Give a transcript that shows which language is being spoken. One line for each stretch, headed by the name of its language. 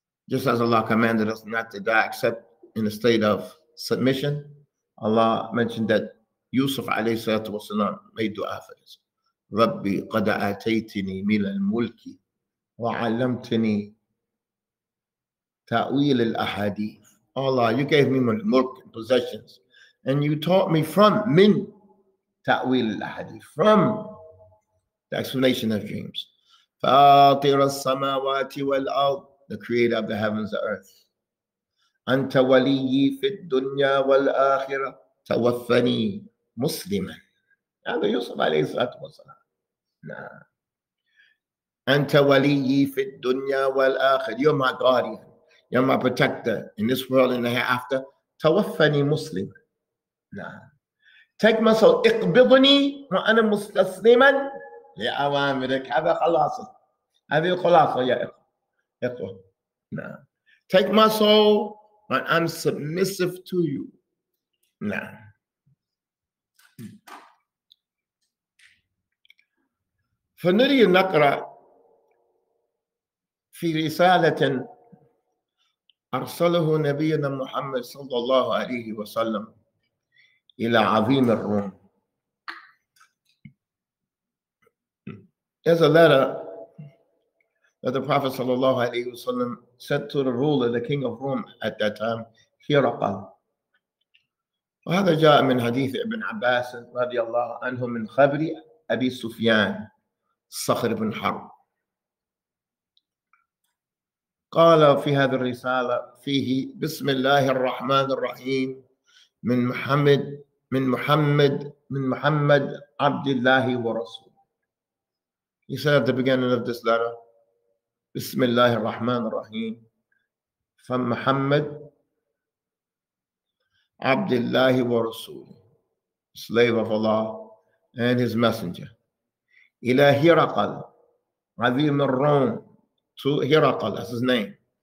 English: Just as Allah commanded us not to die except in a state of submission, Allah mentioned that Yusuf
Arabic: عليه الصلاة والسلام
English: made دعاء for this.
Arabic: ربي قد آتيتني من الملك وعلمتني تأويل الأحاديث.
English: Allah, you gave me my milk and possessions and you taught me from
Arabic: من تأويل الأحاديث,
English: from the explanation of dreams.
Arabic: فاطر السماوات والأرض,
English: the creator of the heavens and earth.
Arabic: أنت ولي في الدنيا والآخرة, توفني مسلما. هذا يوسف عليه الصلاة والسلام. نعم. أنت ولي في الدنيا والآخر.
English: You're my guardian. You're my protector in this world and the hereafter.
Arabic: توفني مسلم.
English: نعم.
Arabic: تكمس اقبضني وانا مستسلما لاوامرك. هذا خلاص، هذه الخلاصه يا اخوه.
English: نعم، take my soul when I'm submissive to you.
Arabic: نعم. فنري نقرا في رساله ارسله نبينا محمد صلى الله عليه وسلم الى عظيم الروم.
English: There's a letter that the Prophet sallallahu alayhi wa sallam sent to the ruler, the king of Rome at that time, Hirakal.
Arabic: وهذا جاء من حديث ابن عباس رضي الله عنه من خبر أبي سفيان صخر بن حرب. قال في هذه الرسالة فيه بسم الله الرحمن الرحيم من محمد عبد الله ورسوله.
English: He said at the beginning of this letter, Bismillah ar-Rahman ar-Rahim, from Muhammad, Abdullah wa Rasul, slave of Allah and his messenger,
Arabic: ila Hirakal, Azim al-Rum,
English: to Hirakal, that's his name.